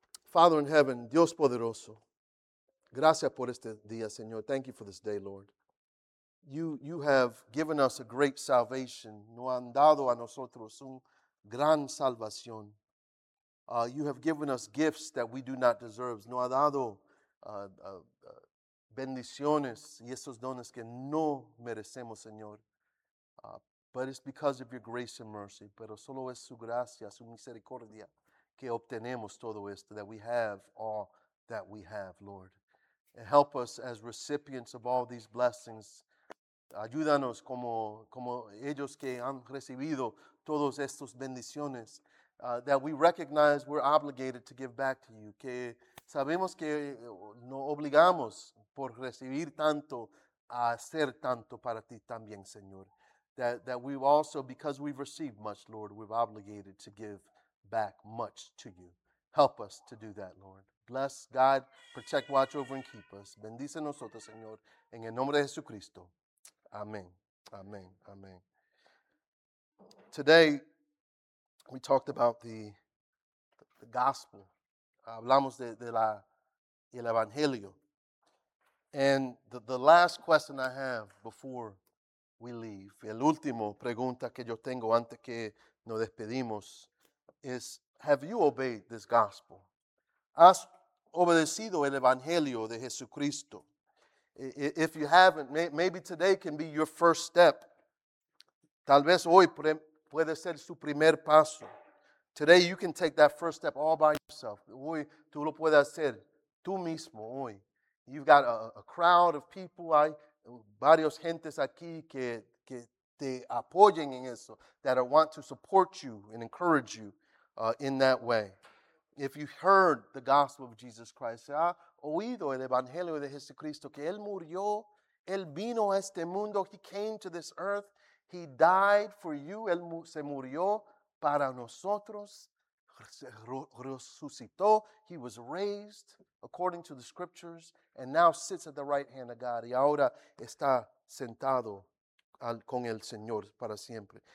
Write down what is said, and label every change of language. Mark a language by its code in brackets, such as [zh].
[en] Father in heaven, [es] Dios poderoso, gracias por este día, Señor. [en] Thank you for this day, Lord. You have given us a great salvation. [es] No han dado a nosotros un gran salvación. [en] You have given us gifts that we do not deserve. [es] No ha dado bendiciones y esos dones que no merecemos, Señor. [en] But it's because of your grace and mercy. [es] Pero solo es su gracia, su misericordia, que obtenemos todo esto, [en] that we have all that we have, Lord. And help us as recipients of all these blessings. [es] Ayúdanos como ellos que han recibido todos estos bendiciones, [en] that we recognize we're obligated to give back to you, [es] que sabemos que no obligamos por recibir tanto a hacer tanto para ti también, Señor. [en] That we've also, because we've received much, Lord, we've obligated to give back much to you. Help us to do that, Lord. Bless God, protect, watch over, and keep us. [es] Bendice nosotros, Señor, en el nombre de Jesucristo. [en] Amen. Amen. Amen. Today, we talked about the gospel. [es] Hablamos del evangelio. [en] And the last question I have before we leave, [es] el último pregunta que yo tengo antes que nos despedimos, [en] is, have you obeyed this gospel? [es] ¿Has obedecido el evangelio de Jesucristo? [en] If you haven't, maybe today can be your first step. [es] Tal vez hoy puede ser su primer paso. [en] Today you can take that first step all by yourself. [es] Hoy tú lo puedes hacer tú mismo hoy. [en] You've got a crowd of people, [es] hay varios gentes aquí que te apoyen en eso, [en] that want to support you and encourage you in that way. If you heard the gospel of Jesus Christ, [es] ha oído el evangelio de Jesucristo, que él murió, él vino a este mundo, [en] he came to this earth, he died for you, [es] él se murió para nosotros, resucitó, [en] he was raised according to the scriptures, and now sits at the right hand of God, [es] y ahora está sentado con el Señor para siempre.